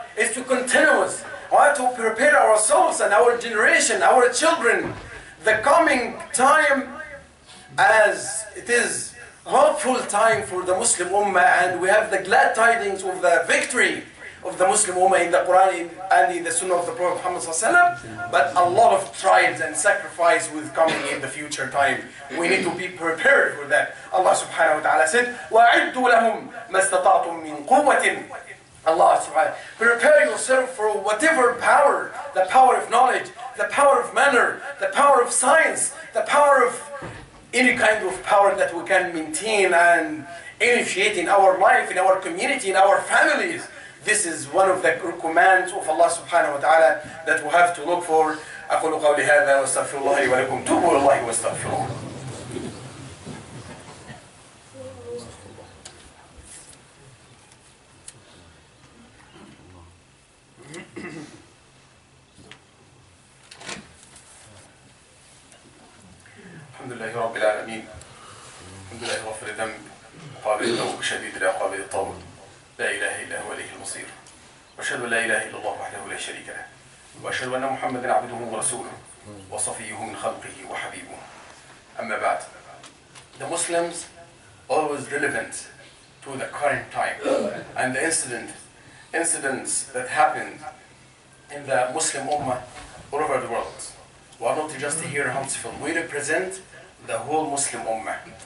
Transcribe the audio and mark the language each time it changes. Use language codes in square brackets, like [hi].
[en] is to continuous. Why? To prepare ourselves and our generation, our children, the coming time, as it is hopeful time for the Muslim Ummah, and we have the glad tidings of the victory of the Muslim Ummah in the Quran and in the Sunnah of the Prophet Muhammad, but a lot of trials and sacrifice will come in the future time. We need to be prepared for that. Allah subhanahu wa ta'ala said, [ar] وَعِدُّوا لَهُمْ مَا اسْتَطَعْتُمْ مِنْ قُوَّةٍ. [en] Allah subhanahu wa ta'ala, prepare yourself for whatever power, the power of knowledge, the power of manner, the power of science, the power of any kind of power that we can maintain and initiate in our life, in our community, in our families. This is one of the commands of Allah subhanahu wa ta'ala that we have to look for. [ar] أَقُلُ قَوْلِ هَذَا وَاسْتَغْفِرُ اللَّهِ وَلَكُمْ تُوبُوا اللَّهِ وَاسْتَغْفِرُ. الحمد لله رب العالمين. الحمد لله غفر الذنب وقابل التوب شديد العقاب ذي الطول. لا اله الا هو اليه المصير. واشهد ان لا اله الا الله وحده لا شريك له. واشهد ان محمدا عبده ورسوله وصفيه من خلقه وحبيبه. اما بعد, [en] the Muslims always relevant to the current time and the incidents that happened in the Muslim Ummah all over the world. We are not just here in Huntsville. We represent the whole Muslim Ummah.